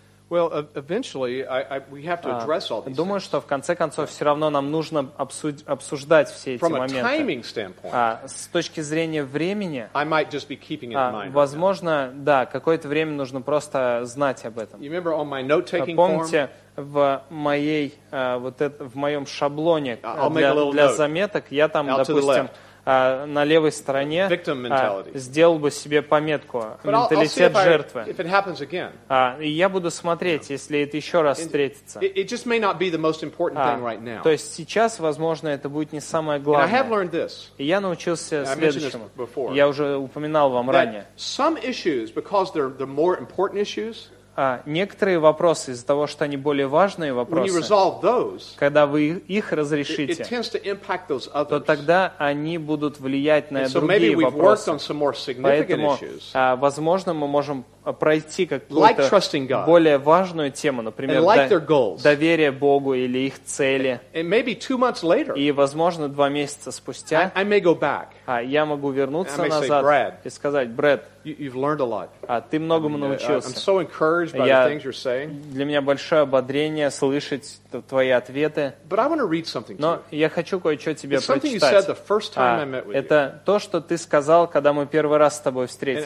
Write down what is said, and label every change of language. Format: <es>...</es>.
<en>Well, eventually, we have to address all these.</en> <ru>Думаю, что в конце концов все равно нам нужно обсуждать все эти моменты.</ru> <en>From a timing standpoint.</en> <ru>С точки зрения времени.</ru> <en>I might just be keeping it in mind.</en> <ru>Возможно, да, какое-то время нужно просто знать об этом.</ru> <en>You remember on my note-taking form?</en> <ru>Помните в моей вот это в моем шаблоне для заметок я там, допустим. На левой стороне сделал бы себе пометку «Менталитет жертвы».</ru> <en>If it happens again.</en> <ru>И я буду смотреть,</ru> <en>yeah.</en> <ru>если это еще раз встретится.</ru> <en>It just may not be the most important thing right now.</en> <ru>То есть сейчас, возможно, это будет не самое главное.</ru> <en>And I have learned this.</en> <ru>И я научился</ru> <en>And</en> <ru>следующему.</ru> <en>Before,</en> <ru>я уже упоминал вам ранее.</ru> <en>Some issues, because they're more important issues,</en> <ru>Некоторые вопросы, из-за того, что они более важные вопросы,</ru> <en>those,</en> <ru>когда вы их разрешите, то тогда они будут влиять на другие вопросы. Поэтому, возможно, мы можем пройти какую-то</ru> <en>like</en> <ru>более важную тему, например,</ru> <en>like</en> <ru>доверие Богу или их цели.</ru> <en>Later,</en> <ru>и, возможно, два месяца спустя я могу вернуться назад</ru> <en>say,</en> <ru>и сказать, Брэд, ты многому научился.</ru> <en>I'm so encouraged by the things you're saying.</en> <ru>Для меня большое ободрение слышать твои ответы.</ru> <en>But I want to read something to</en> <ru>Но я хочу кое-что тебе</ru> <en>It's something</en> <ru>прочитать.</ru> <en>You said the first time I met with</en> <ru>это</ru> <en>you.</en> <ru>То, что ты сказал, когда мы первый раз с тобой встретились.</ru>